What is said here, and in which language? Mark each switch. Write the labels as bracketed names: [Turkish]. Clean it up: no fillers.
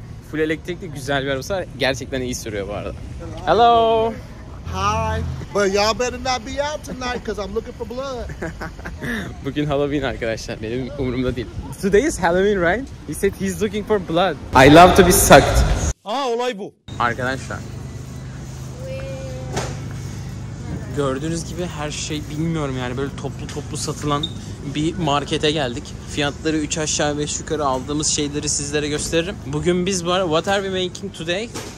[Turkish] Full elektrikli güzel bir arabası var. Gerçekten iyi sürüyor bu arada. [English] Hello. Hi. But y'all better not be out tonight because I'm looking for blood. [Turkish] Bugün Halloween arkadaşlar. Benim umurumda değil. [English] Today is Halloween, right? He said he's looking for blood. I love to be sucked. [Turkish] Aa, olay bu. Arkadaşlar. Gördüğünüz gibi her şey, bilmiyorum yani, böyle toplu satılan bir markete geldik. Fiyatları 3 aşağı 5 yukarı aldığımız şeyleri sizlere gösteririm. Bugün biz var, [English] what are we making today?